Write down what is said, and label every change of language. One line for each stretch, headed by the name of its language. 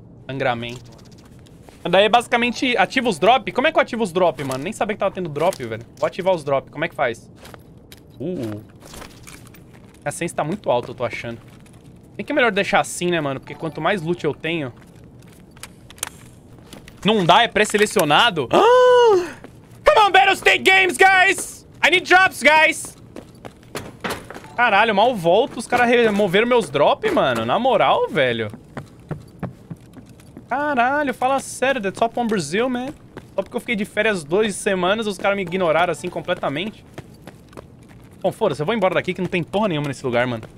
Portuguese: Sangramento. Daí, basicamente, ativa os drop? Como é que eu ativo os drop, mano? Nem sabia que tava tendo drop, velho. Vou ativar os drop. Como é que faz? A sense tá muito alta, eu tô achando. Tem que melhor deixar assim, né, mano? Porque quanto mais loot eu tenho... Não dá, é pré-selecionado?
English: Come on, Battlestate Games, guys! I need drops, guys!
Portuguese: Caralho, mal volto. Os caras removeram meus drop, mano. Na moral, velho. Caralho, fala sério,
English: that's top on Brazil, man.
Portuguese: Só porque eu fiquei de férias 2 semanas, os caras me ignoraram assim completamente. Bom, foda-se, eu vou embora daqui que não tem porra nenhuma nesse lugar, mano.